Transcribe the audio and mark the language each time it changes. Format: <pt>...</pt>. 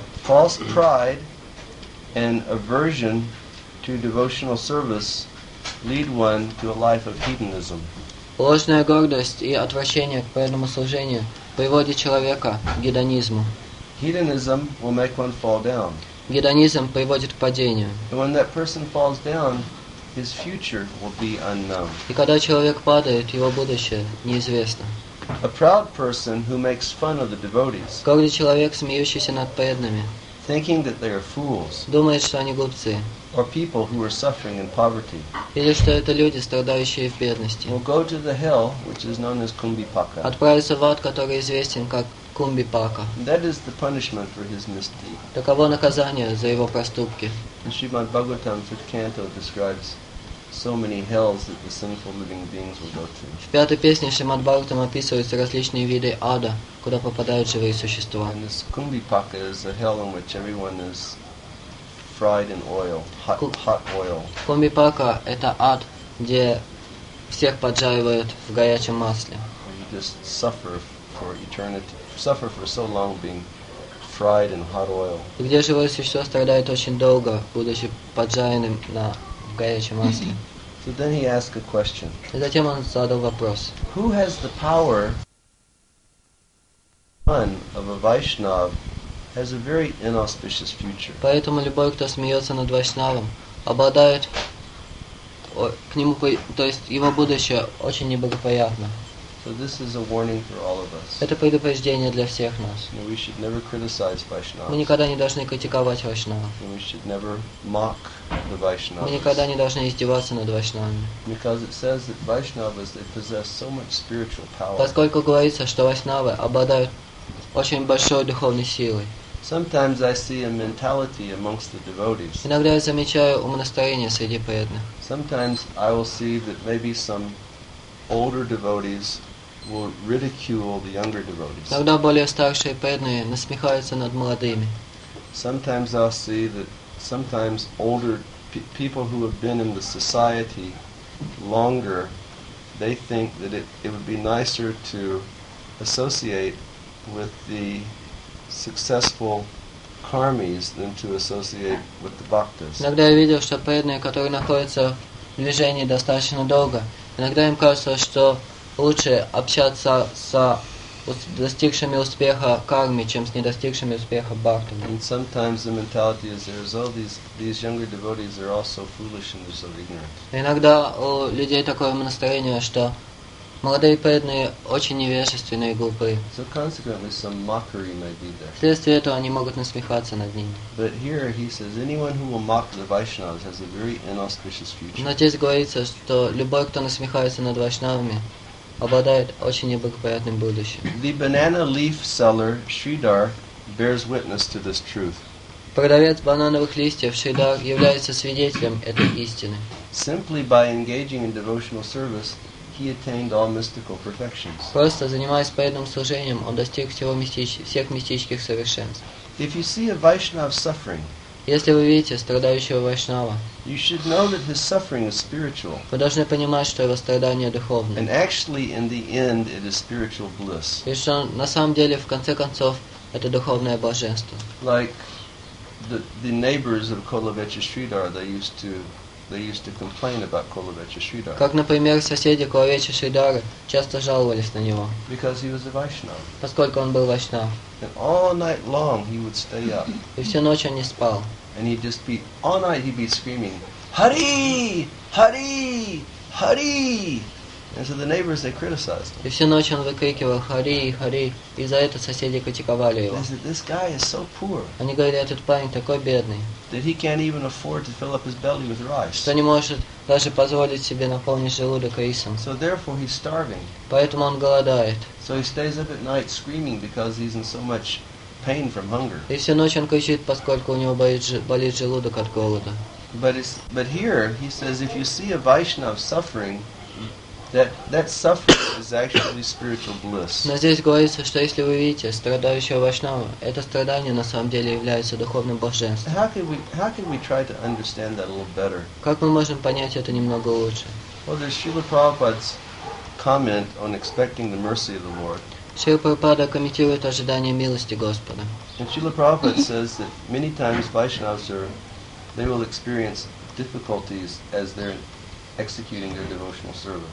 <en>False pride and aversion to devotional service lead one to a life of hedonism.</en> <ru>Ложная гордость и отвращение к преданному служению приводит человека к гедонизму.</ru> <en>Hedonism will make one fall down.</en> <ru>гедонизм приводит к падению.</ru> <en>When that person falls down, his future will be unknown.</en> <ru>И когда человек падает, его будущее неизвестно.</ru> <en>A proud person who makes fun of the devotees.</en> <ru>Гордый человек, смеющийся над преданными.</ru> <en>Thinking that they are fools.</en> <ru>Думает, что они глупцы.</ru> <en>Or people who are suffering in poverty.</en> <ru>Или что это люди, страдающие в бедности.</ru> <en>Will go to the hell, which is known as Kumbhipaka.</en> <ru>Отправится в ад, который известен как Кумбипака.</ru> <en>That is the punishment for his misdeed.</en> <ru>Таково наказание за его проступки.</ru> <en>And Srimad Bhagavatam's fifth canto describes so many hells that the sinful living beings will go to.</en> <ru>В пятой песне Шримад Бхагаватам описываются различные виды ада, куда попадают живые существа.</ru> <en>And this Kumbhipaka is a hell in which everyone is fried in oil, hot oil.</en> <ru>Кумбипака – это ад, где всех поджаривают в горячем масле.</ru> <en>You just suffer for eternity, suffer for so long being fried in hot oil.</en> <ru>Где живое существо страдает очень долго, будучи поджаренным на горячем масле.</ru> <en>So then he asked a question.</en> <ru>И затем он задал вопрос.</ru> <en>Who has the power? Son of a Vaishnav has a very inauspicious future.</en> <ru>Поэтому любой, кто смеется над Вайшнавом, обладает к нему, то есть его будущее очень неблагоприятно.</ru> <en>So this is a warning for all of us.</en> <ru>Это предупреждение для всех нас.</ru> <en>We should never criticize Vaishnavas.</en> <ru>Мы никогда не должны критиковать Вайшнава.</ru> <en>We should never mock the Vaishnavas.</en> <ru>Мы никогда не должны издеваться над Вайшнавами.</ru> <en>Because it says that Vaishnavas, they possess so much spiritual power.</en> <ru>Поскольку говорится, что Вайшнавы обладают очень большой духовной силой.</ru> <en>Sometimes I see a mentality amongst the devotees.</en> <ru>Иногда я замечаю умонастроение среди преданных.</ru> <en>Sometimes I will see that maybe some older devotees will ridicule the younger devotees.</en> <ru>Иногда более старшие преданные насмехаются над молодыми.</ru> <en>Sometimes I see that sometimes older people who have been in the society longer, they think that it would be nicer to associate with the successful karmis than to associate with the bhaktas.</en> <ru>Иногда я видел, что преданные, которые находятся в движении достаточно долго, иногда им кажется, что лучше общаться с достигшими успеха карми, чем с недостигшими успеха бхактами.</ru> <en>And sometimes the mentality is there is all these younger devotees are also foolish and they're so ignorant.</en> <ru>Иногда у людей такое настроение, что молодые преданные очень невежественные и глупые.</ru> <en>So consequently, some mockery may be there.</en> <ru>Вследствие этого они могут насмехаться над ними.</ru> <en>But here he says, anyone who will mock the Vaishnavas has a very inauspicious future.</en> <ru>Но здесь говорится, что любой, кто насмехается над Вайшнавами, обладает очень неблагоприятным будущим.</ru> <en>The banana leaf seller Sridhar bears witness to this truth.</en> <ru>Продавец банановых листьев Шридар является свидетелем этой истины.</ru> <en>Simply by engaging in devotional service, he attained all mystical perfections.</en> <ru>Просто занимаясь преданным служением, он достиг всех мистических совершенств.</ru> <en>If you see a Vaishnava suffering,</en> <ru>если вы видите страдающего Вайшнава,</ru> <en>you should know that his suffering is spiritual.</en> <ru>Вы должны понимать, что его страдание духовное.</ru> <en>And actually, in the end, it is spiritual bliss.</en> <ru>И что на самом деле в конце концов это духовное блаженство.</ru> <en>Like the neighbors of Kolavecha Sridhar, they used to complain about Kolavecha Sridhar.</en> <ru>Как, например, соседи Кулавечи Шридары часто жаловались на него.</ru> <en>Because he was a Vaishnava.</en> <ru>Поскольку он был Вайшнав.</ru> <en>And all night long he would stay up.</en> <ru>И всю ночь он не спал.</ru> <en>And he'd just be all night he'd be screaming, Hari! Hari! Hari! And so the neighbors they criticized him.</en> <ru>И всю ночь он выкрикивал Хари, Хари. И за это соседи критиковали его.</ru> <en>They said, this guy is so poor.</en> <ru>Они говорили, этот парень такой бедный.</ru> <en>That he can't even afford to fill up his belly with rice.</en> <ru>Что не может даже позволить себе наполнить желудок рисом.</ru> <en>So therefore he's starving.</en> <ru>Поэтому он голодает.</ru> <en>So he stays up at night screaming because he's in so much pain from hunger.</en> <ru>И всю ночь он кричит, поскольку у него болит желудок от голода.</ru> <en>But here he says, if you see a Vaishnav suffering, That suffering is actually spiritual bliss.</en> <ru>Но здесь говорится, что если вы видите страдающего Вайшнава, это страдание на самом деле является духовным блаженством.</ru> <en>How can we try to understand that a little better?</en> <ru>Как мы можем понять это немного лучше?</ru> <en>Well, there's Srila Prabhupada's comment on expecting the mercy of the Lord.</en> <ru>Srila Prabhupada комментирует ожидание милости Господа.</ru> <en>And Srila Prabhupada says that many times Vaishnavas they will experience difficulties as they're executing their devotional service.</en>